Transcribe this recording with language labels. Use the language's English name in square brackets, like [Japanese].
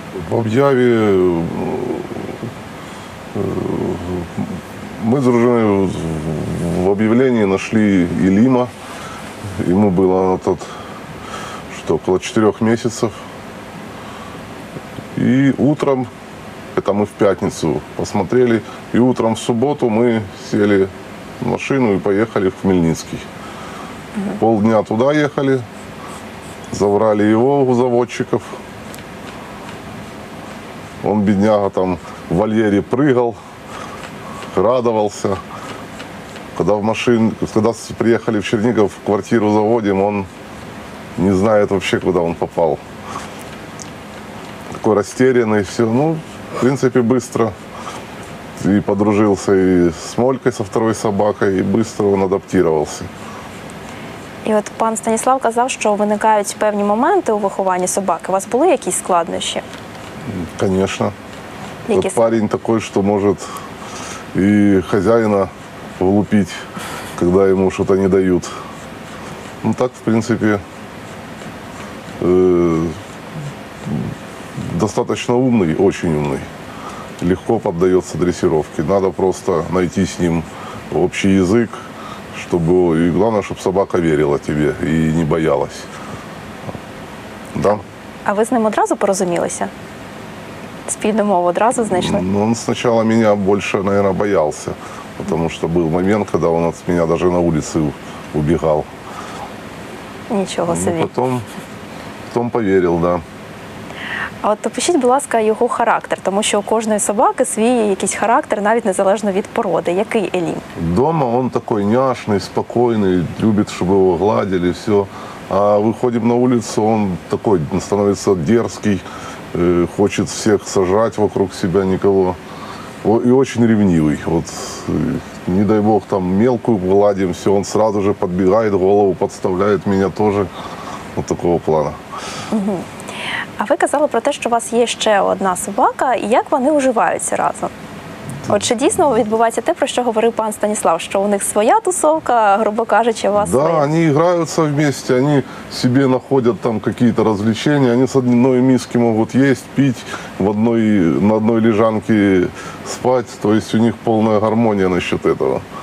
[Ukrainian] В об'яві ми з дружиною в об'явленні знайшли Еліма. Йому було на тот, що около 4 місяців. [Russian] И утром, это мы в пятницу посмотрели, и утром в субботу мы сели в машину и поехали в Хмельницкий. Угу. Полдня туда ехали, забрали его у заводчиков. Он, бедняга, там в вольере прыгал, радовался. Когда приехали в Чернигов, в квартиру заводим, он не знает вообще, куда он попал. Такой растерянный, все, ну, в принципе, быстро. И подружился и с Молькой, со второй собакой, и быстро он адаптировался. [Ukrainian] І от пан Станіслав казав, що виникають певні моменти у вихованні собаки. У вас були якісь складнощі? [Russian] Конечно. Парень такой, [Ukrainian] що може і хазяїна влупити. [Russian] когда ему что-то не дают. Ну так, в принципе, достаточно умный, очень умный. Легко поддается дрессировке. Надо просто найти с ним общий язык, чтобы, и главное, чтобы собака верила тебе и не боялась. Да? [Ukrainian] А ви з ним одразу порозумілися? Спільну мову одразу знайшли? Ну, він спочатку мене більше, мабуть, боявся. Тому що був момент, коли він від мене навіть на вулиці убігав. Нічого собі. Ну, потім повірив, так. Да. А от опишіть, будь ласка, його характер. Тому що у кожної собаки свій якийсь характер, навіть незалежно від породи. Який Елін? Вдома він такий няшний, спокійний, любить, щоб його гладили, все. А виходимо на вулицю, [Russian] он такой становится дерзкий, хочет всех сажать вокруг себя, никого. И очень ревнивый. Вот, не дай бог, там мелкую гладим, все, он сразу же подбегает, голову подставляет меня тоже. Вот такого плана. Угу. [Ukrainian] А ви казали про те, що у вас є ще одна собака, і як вони уживаються разом? От чи дійсно відбувається те, про що говорив пан Станіслав, що у них своя тусовка, грубо кажучи, у вас? Да, вони граються вместе, вони собі знаходять там якісь розвлечення, вони з одної миски можуть їсти, пити, в одной, на одній лежанці спати, тобто у них повна гармонія насчет цього.